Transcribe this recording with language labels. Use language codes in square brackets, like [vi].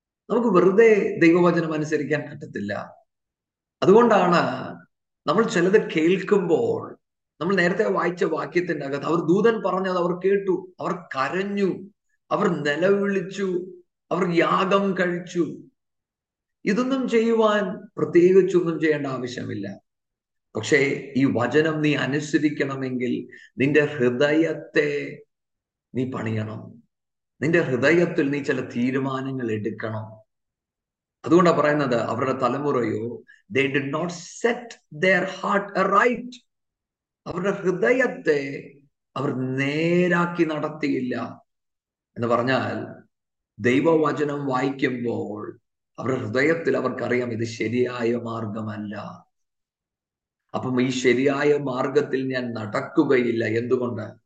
[ml] നമുക്ക് വെറുതെ ദൈവവചനം അനുസരിക്കാൻ പറ്റത്തില്ല. അതുകൊണ്ടാണ് നമ്മൾ ചിലത് കേൾക്കുമ്പോൾ, നമ്മൾ നേരത്തെ വായിച്ച വാക്യത്തിൻ്റെ അകത്ത് അവർ ദൂതൻ പറഞ്ഞത് അവർ കേട്ടു, അവർ കരഞ്ഞു, അവർ നിലവിളിച്ചു, അവർ യാഗം കഴിച്ചു. ഇതൊന്നും ചെയ്യുവാൻ പ്രത്യേകിച്ചൊന്നും ചെയ്യേണ്ട ആവശ്യമില്ല. പക്ഷേ ഈ വചനം നീ അനുസരിക്കണമെങ്കിൽ നിന്റെ ഹൃദയത്തെ നീ പണിയണം, നിന്റെ ഹൃദയത്തിൽ നീ ചില തീരുമാനങ്ങൾ എടുക്കണം. അതുകൊണ്ടാണ് പറയുന്നത് അവരുടെ തലമുറയോ, [en] they did not set their heart aright. [ml] അവരുടെ ഹൃദയത്തെ അവർ നേരാക്കി നടത്തിയില്ല എന്ന് പറഞ്ഞാൽ ദൈവവചനം വായിക്കുമ്പോൾ അവരുടെ ഹൃദയത്തിൽ അവർക്കറിയാം ഇത് ശരിയായ മാർഗമല്ല. അപ്പം ഈ ശരിയായ മാർഗത്തിൽ ഞാൻ നടക്കുകയില്ല, എന്തുകൊണ്ട്?